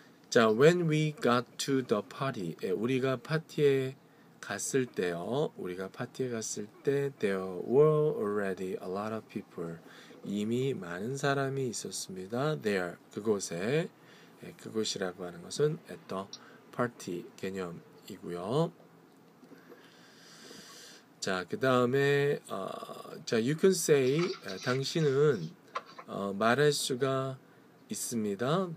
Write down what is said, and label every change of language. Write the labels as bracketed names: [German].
[English] 자, when we got to the party. [Korean] 예, 우리가 파티에 갔을 때요. 우리가 파티에 갔을 때 [English] there were already a lot of people. [Korean] 이미 많은 사람이 있었습니다. there. 그곳에. 예, 그곳이라고 하는 것은 [English] at the party [Korean] 개념이고요. 자, 그다음에 자, [English] you can say [Korean] 당신은 말할 수가 있습니다.